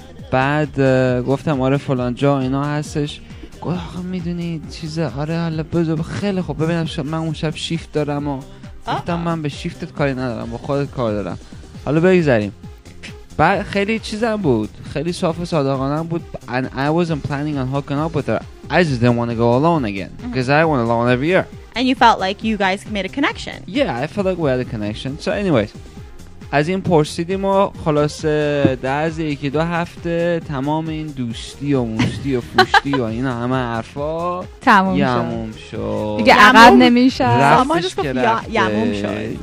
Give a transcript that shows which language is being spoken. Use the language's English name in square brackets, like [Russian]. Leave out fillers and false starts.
[Persian] بعد گفتم آره فلان جا اینا هستش. گفت آخه میدونی چیزه، آره حالا بذار. خیلی خب ببینم، من اون شب شیفت دارم و گفتم من به شیفتت کاری ندارم، با خودت کار دارم، حالا بگذاریم. بعد خیلی چیزم بود، خیلی صاف و صادقانه بود. [English] And I wasn't planning on hooking up with her. I just didn't want to go alone again because I went alone every year. And you felt like you guys made a connection. Yeah, I felt like we had a connection. So anyways, [Persian] از این پرسیدیم و خلاصه در از یکی دو هفته تمام این دوستی و موشتی و فوشتی و این همه حرفا یموم شد. دیگه عقب نمیشه. رفتش که رفته. یموم شد.